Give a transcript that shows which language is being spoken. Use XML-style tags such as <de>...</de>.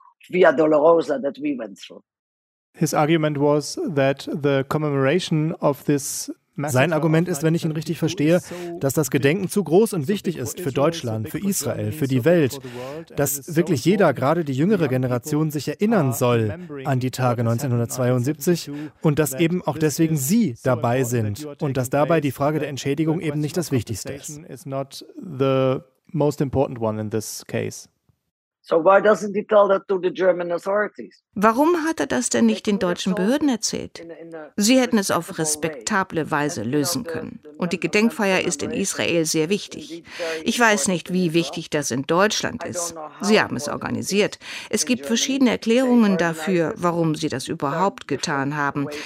<en>Via Dolorosa that we went through. His argument was that the commemoration of this.</en> <de>Sein Argument ist, wenn ich ihn richtig verstehe, dass das Gedenken zu groß und wichtig ist für Deutschland, für Israel, für die Welt, dass wirklich jeder, gerade die jüngere Generation, sich erinnern soll an die Tage 1972 und dass eben auch deswegen Sie dabei sind und dass dabei die Frage der Entschädigung eben nicht das Wichtigste ist.</de> <en>Not the most important one in this case. So why doesn't he tell that to the German authorities?</en> <de>Warum hat er das denn nicht den deutschen Behörden erzählt? Sie hätten es auf respektable Weise lösen können. Und die Gedenkfeier ist in Israel sehr wichtig. Ich weiß nicht, wie wichtig das in Deutschland ist. Sie haben es organisiert. Es gibt verschiedene Erklärungen dafür, warum sie das überhaupt getan haben.</de>